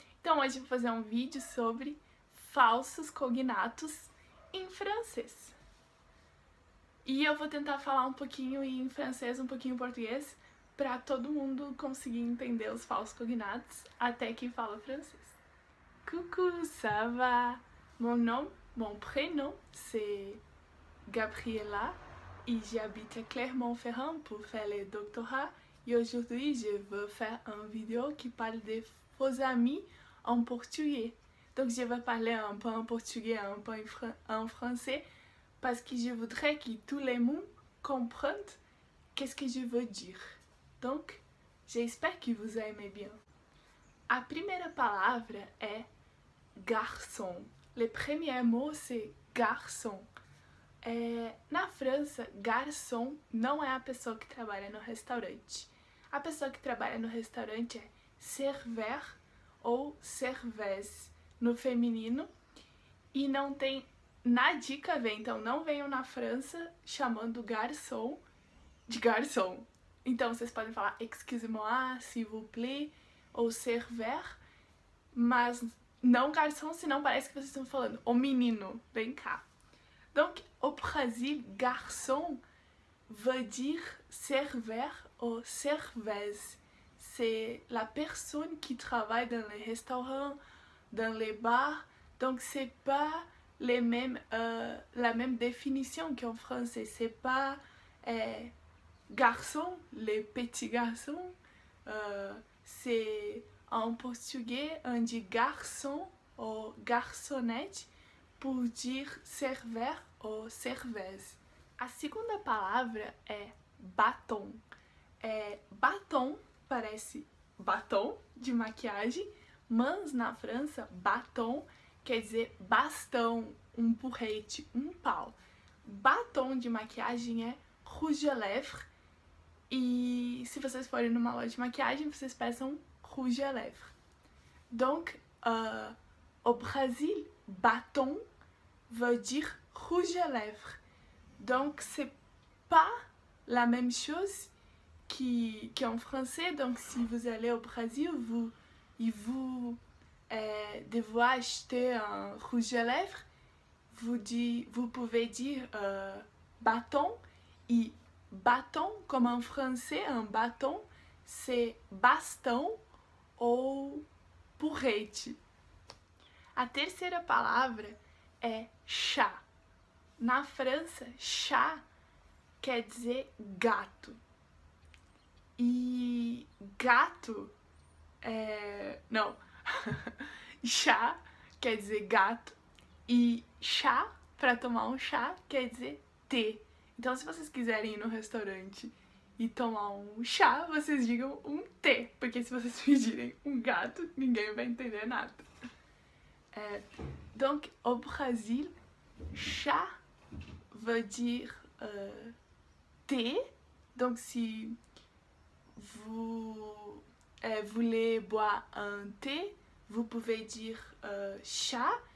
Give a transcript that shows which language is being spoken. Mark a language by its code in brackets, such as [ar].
[pt] Então, hoje eu vou fazer um vídeo sobre falsos cognatos em francês. E eu vou tentar falar um pouquinho em francês, um pouquinho em português, para todo mundo conseguir entender os falsos cognatos, até quem fala francês. [fr] Coucou, ça va? Mon nom, mon prénom, c'est Gabriela, et j'habite à Clermont-Ferrand pour faire le doctorat. Et aujourd'hui, je veux faire une vidéo qui parle des faux amis en portugais. Donc, je vais parler un peu en portugais, un peu en français, parce que je voudrais que tous les mots comprennent qu'est-ce que je veux dire. Donc, j'espère que vous aimez bien. [pt] A primeira palavra é garçon. [fr] Le premier mot, c'est garçon. [pt] Na França, garçon não é a pessoa que trabalha no restaurante. A pessoa que trabalha no restaurante é serveur ou serveuse no feminino. E não tem, na dica vem, então não venham na França chamando garçon de garçon. Então vocês podem falar [fr] excusez-moi, s'il vous plaît, [pt] ou serveur, mas não garçom, senão parece que vocês estão falando o menino, vem cá. [fr] Donc, au Brésil, garçom veut dire serveur ou serveuse. C'est la personne qui travaille dans les restaurants, dans les bars. Donc, c'est pas les mêmes, la même définition qu'en français. C'est pas garçon, les petits garçons. C'est en portugais, on dit garçon ou garçonnette pour dire serveur ou serveuse. [pt] A segunda palavra é batom. Batom parece batom de maquiagem, mas na França, batom quer dizer bastão, um porrete, um pau. Batom de maquiagem é rouge à lèvres, e se vocês forem numa loja de maquiagem, vocês peçam rouge à lèvres. [fr] Donc, au Brésil, bâton veut dire rouge à lèvres. Donc, c'est pas la même chose qu'en français. Donc, si vous allez au Brésil, devez acheter un rouge à lèvres, vous pouvez dire bâton. Et bâton, comme en français, un bâton, c'est bastão ou porrete. [pt] A terceira palavra é chat. Na França, chat quer dizer gato. E gato é... Não. Chat quer dizer gato. E chá, para tomar um chá, quer dizer té. Então, se vocês quiserem ir no restaurante e tomar um chá, vocês digam um té, porque se vocês pedirem um gato, ninguém vai entender nada. [fr] Donc, au Brésil, chá veut dire té. Donc, si vous voulez boire un thé, vous pouvez dire chá.